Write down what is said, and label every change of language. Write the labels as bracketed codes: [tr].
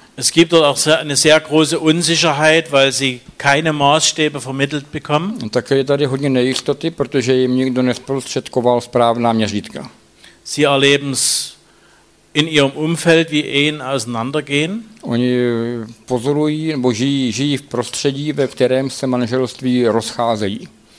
[de] Es gibt dort auch eine sehr große Unsicherheit, weil sie keine Maßstäbe vermittelt bekommen. [cs] Také je tady hodně nejistoty, protože jim nikdo nesprostředkoval správná měřítka. [de] Sie erleben es in ihrem Umfeld, wie Ehen auseinandergehen. [cs] Oni pozorují, nebo žijí v prostředí, ve kterém se manželství rozcházejí.